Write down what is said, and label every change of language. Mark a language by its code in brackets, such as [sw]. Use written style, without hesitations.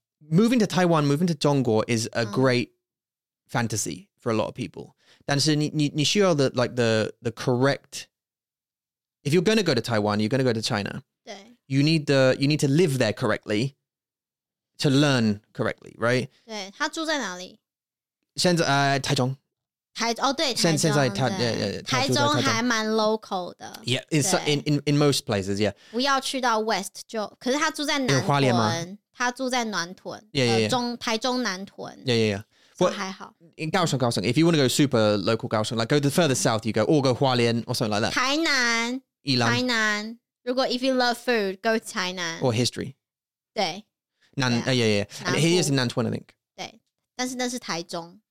[en] Moving to Taiwan, moving to 中国 is a great fantasy for a lot of people. [zh] 但是你需要 [en] the correct. If you're going to go to Taiwan, you're going to go to China. You need to live there correctly, to learn correctly, right? [zh] 对，他住在哪里？现在台中。台中还蛮 local 的。Yeah, [en] in most places, yeah. [zh] 不要去到 West 就，可是他住在南屯。他住在南屯。台中南屯。还好。高雄，高雄。 [en] If you want to go super local, 高雄, like go the further south, you go or go 花莲 or something like that. [zh] 台南。宜兰。台南。如果 [en] if you love food, [zh] go 台南。 [en] Or history. [zh] 对。南 [en] yeah. And he is in 南屯, I think. [zh] 对。但是那是台中。